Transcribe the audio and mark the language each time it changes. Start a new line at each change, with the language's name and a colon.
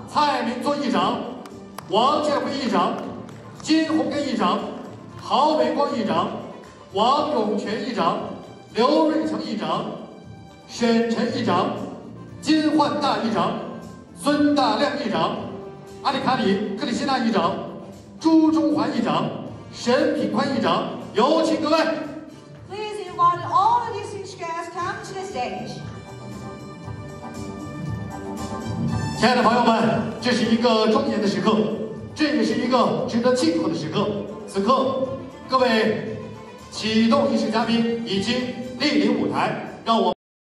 Chinese: 蔡明尊议长，王建辉议长，金洪根议长，郝伟光议长，王永泉议长，刘瑞成议长，沈晨议长，金焕大议长，孙大亮议长，阿里卡里克里希纳议长，朱中华议长。沈品宽议长，有请各位。
English: Please invite all the distinguished guests come to the stage.
Chinese: 亲爱的朋友们，这是一个庄严的时刻，这也是一个值得庆贺的时刻。此刻，各位启动仪式嘉宾已经莅临舞台，让我。